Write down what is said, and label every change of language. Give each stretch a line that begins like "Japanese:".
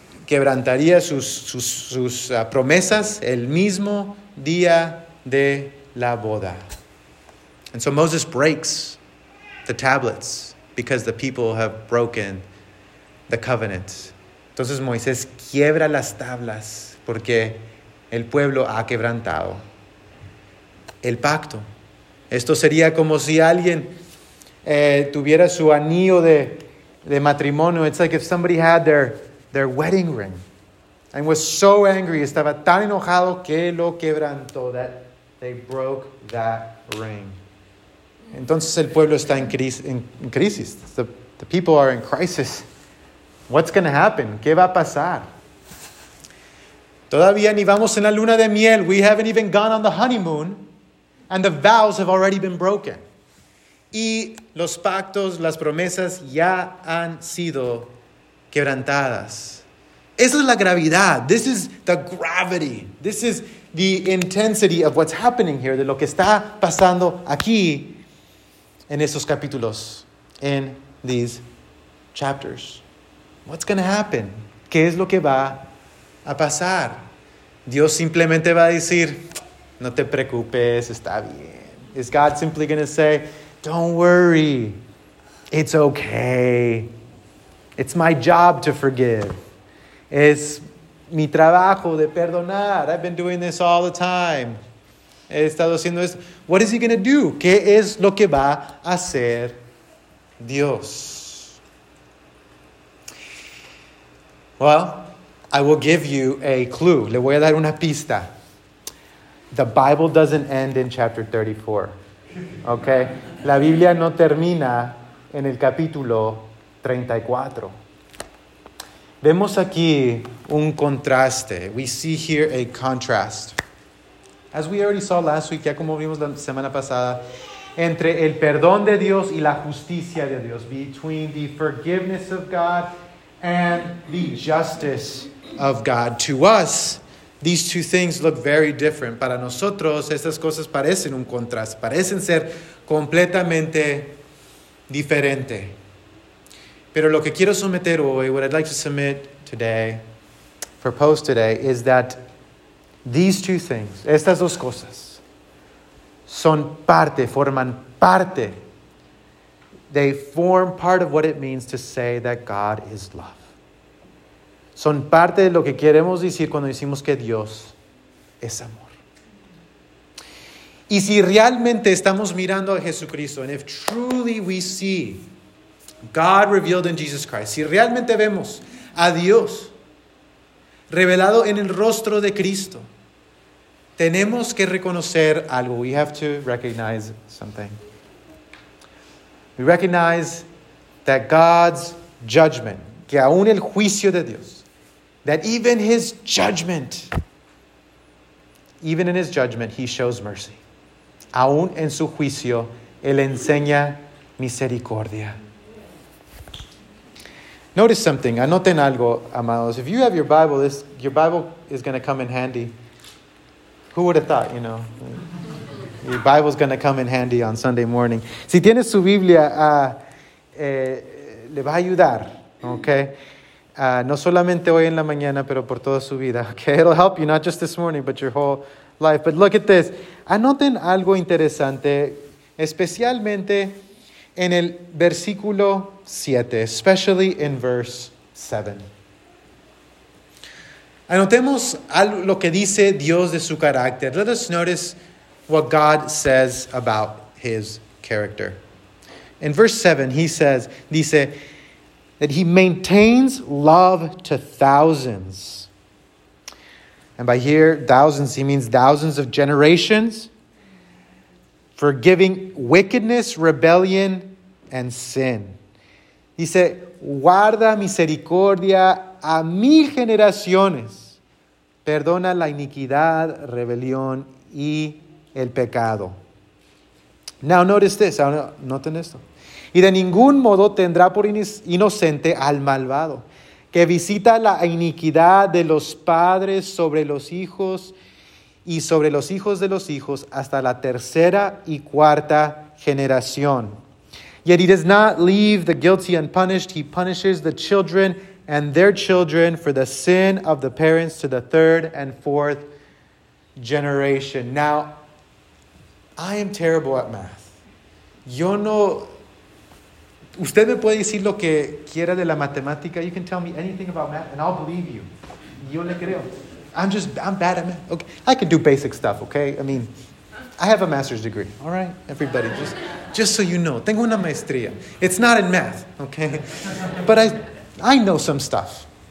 Spanish: quebrantaría sus promesas el mismo día de la boda.
English: And so Moses breaks the tablets because the people have broken the covenant.
Spanish: Entonces Moisés quiebra las tablas porque el pueblo ha quebrantado el pacto. Esto sería como si alguien tuviera su anillo de matrimonio.
English: It's like if somebody had their wedding ring and was so angry,
Spanish: estaba tan enojado que lo quebrantó,
English: that they broke that ring.
Spanish: Entonces el pueblo está en crisis.
English: The people are in crisis. What's going to happen?
Spanish: ¿Qué va a pasar? Todavía ni vamos en la luna de miel.
English: We haven't even gone on the honeymoon. And the vows have already been broken.
Spanish: Y los pactos, las promesas ya han sido quebrantadas. Esa es la gravedad.
English: This is the gravity. This is the intensity of what's happening here,
Spanish: de lo que está pasando aquí en estos capítulos,
English: in these chapters. What's going to happen?
Spanish: ¿Qué es lo que va a pasar? Dios simplemente va a decir, no te preocupes, está bien.
English: Is God simply going to say, don't worry, it's okay. It's my job to forgive.
Spanish: Es mi trabajo de perdonar.
English: I've been doing this all the time.
Spanish: He estado haciendo esto.
English: What is he going to do?
Spanish: ¿Qué es lo que va a hacer Dios?
English: Well, I will give you a clue.
Spanish: Le voy a dar una pista.
English: The Bible doesn't end in chapter 34. Okay?
Spanish: La Biblia no termina en el capítulo 34. Vemos aquí un contraste.
English: We see here a contrast. As we already saw last week,
Spanish: ya como vimos la semana pasada, entre el perdón de Dios y la justicia de Dios.
English: Between the forgiveness of God and the justice of God. To us, these two things look very different.
Spanish: Para nosotros, estas cosas parecen un contraste. Parecen ser completamente diferente. Pero lo que quiero someter hoy,
English: what I'd like to submit today, propose today, is that these two things,
Spanish: estas dos cosas, son parte, forman parte.
English: They form part of what it means to say that God is love.
Spanish: Son parte de lo que queremos decir cuando decimos que Dios es amor. Y si realmente estamos mirando a Jesucristo,
English: and if truly we see God revealed in Jesus Christ,
Spanish: si realmente vemos a Dios revelado en el rostro de Cristo, tenemos que reconocer algo.
English: We have to recognize something. We recognize that God's judgment,
Spanish: que aún el juicio de Dios,
English: that even in his judgment, he shows mercy.
Spanish: Aún en su juicio, él enseña misericordia.
English: Notice something.
Spanish: Anoten algo, amados.
English: If you have your Bible, this your Bible is going to come in handy. Who would have thought, you know? Your Bible is going to come in handy on Sunday morning.
Spanish: Si tienes su Biblia, le va a ayudar,
English: okay?
Spanish: No solamente hoy en la mañana, pero por toda su vida.
English: Okay, it'll help you, not just this morning, but your whole life. But look at this.
Spanish: Anoten algo interesante, especialmente en el versículo 7,
English: especially in verse 7.
Spanish: Anotemos lo que dice Dios de su carácter.
English: Let us notice what God says about his character. In verse 7, he says,
Spanish: dice,
English: that he maintains love to thousands. And by here, thousands, he means thousands of generations, forgiving wickedness, rebellion, and sin.
Spanish: Dice, guarda misericordia a mil generaciones. Perdona la iniquidad, rebelión, y el pecado.
English: Now notice this.
Spanish: Noten esto. Y de ningún modo tendrá por inocente al malvado, que visita la iniquidad de los padres sobre los hijos y sobre los hijos de los hijos hasta la tercera y cuarta generación.
English: Yet he does not leave the guilty unpunished. He punishes the children and their children for the sin of the parents to the third and fourth generation. Now, I am terrible at math.
Spanish: Yo no... Usted me puede decir lo que quiera de la matemática.
English: You can tell me anything about math, and I'll believe you.
Spanish: Yo le creo.
English: I'm bad at math. Okay. I can do basic stuff, okay? I mean, I have a master's degree, all right? Everybody, just so you know.
Spanish: Tengo una maestría.
English: It's not in math, okay? But I know some stuff.